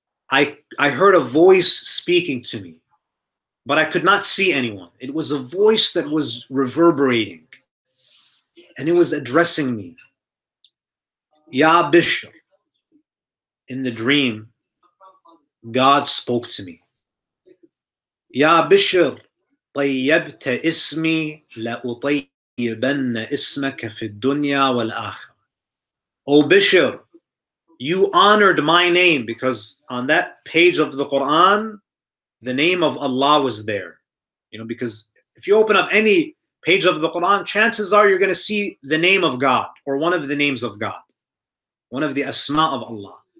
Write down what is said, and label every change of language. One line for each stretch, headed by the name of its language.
English: I heard a voice speaking to me, but I could not see anyone. It was a voice that was reverberating, and it was addressing me. Ya Bishr, in the dream, God spoke to me.
Arabic: Ya Bishr, طيبت اسمي لأطيبن اسمك في الدنيا والآخرة.
English: O Bishr, you honored my name, because on that page of the Quran, the name of Allah was there. You know, because if you open up any page of the Quran, chances are you're going to see the name of God or one of the names of God, one of the asma of Allah.